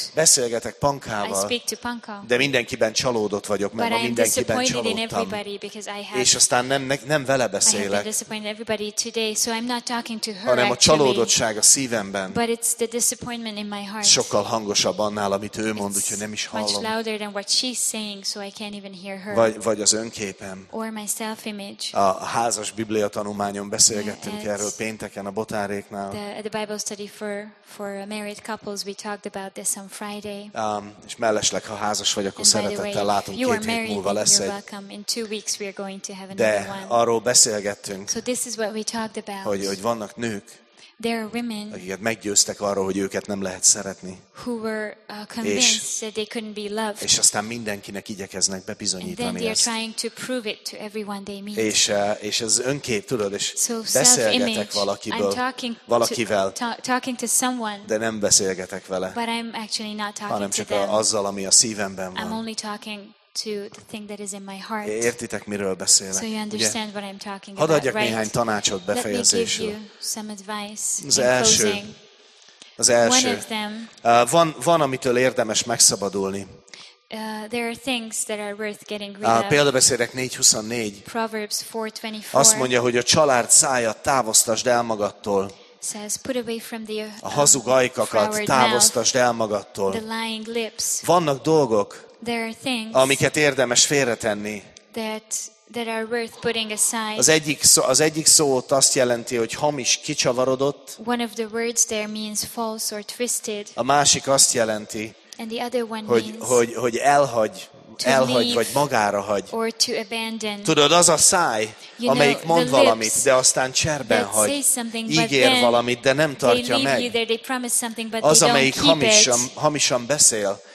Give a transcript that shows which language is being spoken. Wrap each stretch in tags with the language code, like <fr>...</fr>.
<hu>Beszélgetek Pankával,</hu> <en>I speak to Panka,</en> <hu>de mindenkiben csalódott vagyok, mert ma mindenkiben csalódtam. És aztán nem vele beszélek,</hu> <en>today, so I'm not talking to her,</en> <hu>hanem a csalódottság</hu> <en>actually,</en> <hu>a szívemben.</hu> <en>But it's the disappointment in my heart.</en> <hu>Sokkal hangosabb annál, amit ő mond,</hu> <en>it's</en> <hu>úgyhogy nem is hallom.</hu> <en>Much louder than what she's saying, so I can't even hear her.</en> <hu>Vagy az önképp.</hu> <en>Or my self-image.</en> <hu>A házas biblia tanulmányon beszélgettünk erről pénteken a botáréknál.</hu> <en>The Bible study for married couples, we talked about this on Friday.</en> <hu>És mellesleg, ha házas vagy, akkor</hu> <en>and</en> <hu>szeretettel</hu> <en>way,</en> <hu>látunk két hét múlva lesz egy.</hu> <en>In 2 weeks we are going to have another one.</en> <hu>De arról beszélgettünk,</hu> <en>so this is what we talked about.</en> <hu>Hogy vannak nők,</hu> <en>there are women,</en> <hu>akiket meggyőztek arról, hogy őket nem lehet szeretni.</hu> <en>Who were convinced that they couldn't be loved.</en> <hu>És aztán mindenkinek igyekeznek bebizonyítani ezt.</hu> <en>And then they're trying to prove it to everyone they meet.</en> <hu>És az önkép, tudod, és</hu> <en>so</en> <hu>beszélgetek valakiből, valakivel,</hu> <en>talking to someone,</en> <hu>de nem beszélgetek vele,</hu> <en>but I'm actually not talking</en> <hu>hanem csak</hu> <en>to them.</en> <hu>Azzal, ami a szívemben van.</hu> <en>I'm only talking to the thing that is in my heart.</en> <hu>Értitek, miről beszélek.</hu> <en>So you understand what I'm talking right?</en> <hu>Hadd adjak néhány tanácsot befejezésül.</hu> <en>Let me give you some advice.</en> <hu>Az első.</hu> <en>One of them,</en> <hu>van, amitől érdemes megszabadulni.</hu> <en>There are things that are worth getting rid of.</en> <hu>Példabeszédek 4:24.</hu> <en>Proverbs 4:24.</en> <hu>Azt mondja, hogy a család száját távoztasd el magadtól.</hu> <en>Says, put away from the,</en> <hu>a hazug ajkakat távoztasd el magadtól.</hu> <en>The lying lips.</en> <hu>Vannak dolgok,</hu> <en>there are things,</en> <hu>amiket érdemes félretenni.</hu> <en>That are worth putting aside.</en> <hu>Az egyik szó ott azt jelenti, hogy hamis, kicsavarodott.</hu> <en>One of the words there means false or twisted.</en> <hu>A másik azt jelenti,</hu> <en>and the other one</en> <hu>hogy elhagy, vagy magára hagy.</hu> <en>Or to abandon.</en> <hu>Tudod, az a száj,</hu> <en>you</en> <hu>amelyik</hu> <en>know,</en> <hu>mond valamit, de aztán cserben hagy, ígér valamit, de nem tartja meg. Az, amelyik hamisan beszél.</hu>